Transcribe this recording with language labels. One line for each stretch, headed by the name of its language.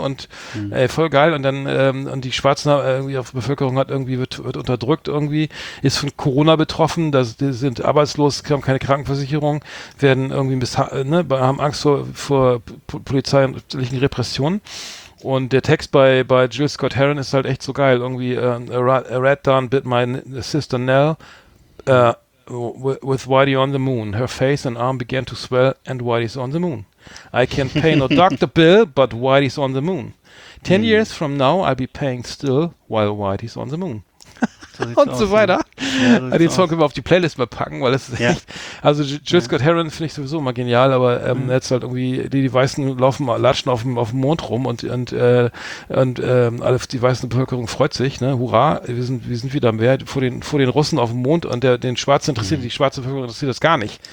German: Und voll geil. Und dann, und die Schwarzen irgendwie auf Bevölkerung hat irgendwie, wird unterdrückt irgendwie, ist von Corona betroffen, die sind arbeitslos, haben keine Krankenversicherung, werden irgendwie haben Angst vor polizeilichen Repressionen. Und der Text bei Jill Scott Heron ist halt echt so geil. Irgendwie,
English: a rat done bit my sister Nell with Whitey on the moon. Her face and arm began to swell and Whitey's on the moon. I can't pay no doctor bill, but Whitey's on the moon. 10 years from now, I'll be paying still while Whitey's on the moon.
German: und so weiter. Ja, den Song können wir auf die Playlist mal packen, weil das ist echt. Also Jill Scott Heron finde ich sowieso immer genial, aber jetzt halt irgendwie, die Weißen laufen latschen auf dem Mond rum und alle die weiße Bevölkerung freut sich, ne? Hurra, wir sind wieder mehr vor den Russen auf dem Mond und den Schwarzen interessiert, die schwarze Bevölkerung interessiert das gar nicht.